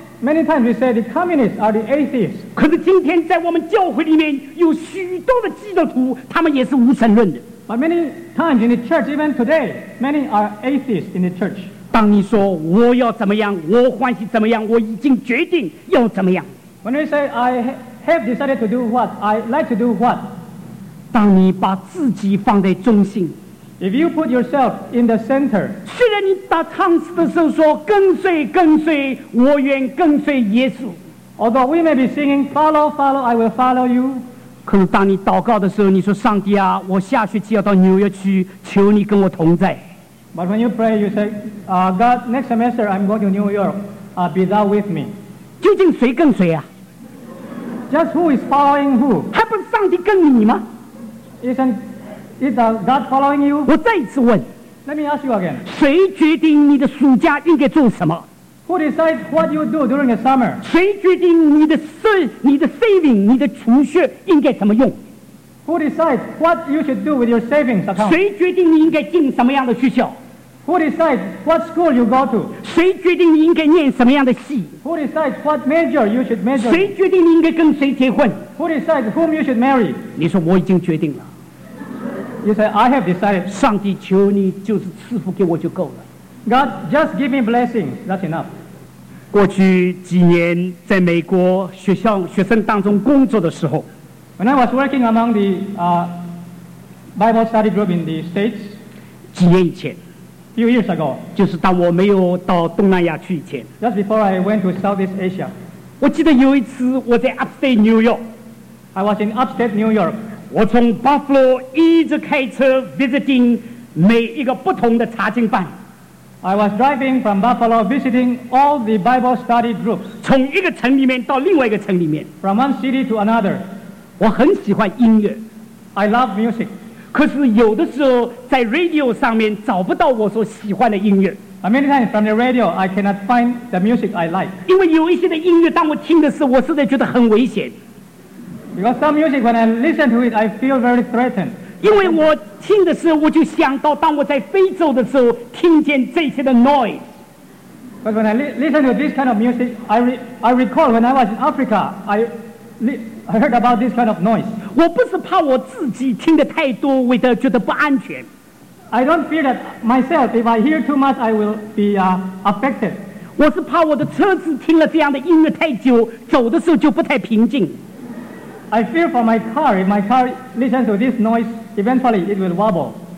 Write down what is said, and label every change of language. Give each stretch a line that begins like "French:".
English: Many times we say the communists are the atheists.
Chinese: 可是今天在我们教会里面有许多的基督徒，他们也是无神论的。
English: But many times in the church, even today, many are atheists in the church.
Chinese: 当你说我要怎么样，我欢喜怎么样，我已经决定要怎么样。
English: When you say I have decided to do what, I like to do what.
Chinese: 当你把自己放在中心。
English: If you put yourself in the center,
Chinese: 虽然你打唱诗的时候说跟随跟随，我愿跟随耶稣。
English: Although we may be singing, follow, follow, I will follow you.
Chinese: 可是当你祷告的时候，你说上帝啊，我下学期要到纽约去，求你跟我同在。
English: But when you pray, you say, God, next semester I'm going to New York. Be thou with me.
Chinese: 究竟谁跟谁啊？
English: Just who is following who?
Chinese: 还不是上帝跟你吗？
English: Is God following you?
Chinese: 我再一次问，
English: Let me ask you again.
Chinese: 谁决定你的暑假应该做什么？
English: Who decides what you do during the summer?
Chinese: 谁决定你的 saving, 你的储蓄应该怎么用？
English: Who decides what you should do with your savings account?
Chinese: 谁决定你应该进什么样的学校？
English: Who decides what school you go to?
Chinese: 谁决定你应该念什么样的系？
English: Who decides what major you should major?
Chinese: 谁决定你应该跟谁结婚？
English: Who decides whom you should marry?
Chinese: 你说我已经决定了。
English: You say, I have decided.
Chinese: 上帝求你就是赐福给我就够了。
English: God, just give me blessing. That's enough.
Chinese: 过去几年在美国学校学生当中工作的时候，
English: When I was working among the Bible study group in the States,
Chinese: 几年以前，
English: Few years ago,
Chinese: 就是当我没有到东南亚去以前，
English: Just before I went to Southeast Asia,
Chinese: 我记得有一次我在 Upstate New York,
English: I was in Upstate New York.
Chinese: 我从 Buffalo 一直开车 visiting 每一个不同的查经班。
English: I was driving from Buffalo visiting all the Bible study groups.
Chinese: 从一个城里面到另外一个城里面。
English: From one city to another.
Chinese: 我很喜欢音乐。
English: I love music.
Chinese: 可是有的时候在 radio 上面找不到我所喜欢的音乐。
English: Many times from the radio, I cannot find the music I like.
Chinese: 因为有一些的音乐，当我听的时候，我实在觉得很危险。
English: Because some music, when I listen to it, I feel very threatened.
Chinese: 因为我听的时候，我就想到当我在非洲的时候，听见这些的 noise.
English: But when I listen to this kind of music, I recall when I was in Africa, I heard about this kind of noise.
Chinese: 我不是怕我自己听得太多，为的觉得不安全。
English: I don't fear that myself. If I hear too much, I will be affected.
Chinese: 我是怕我的车子听了这样的音乐太久，走的时候就不太平静。
English: I fear for my car. If my car listens to this noise, eventually it will wobble.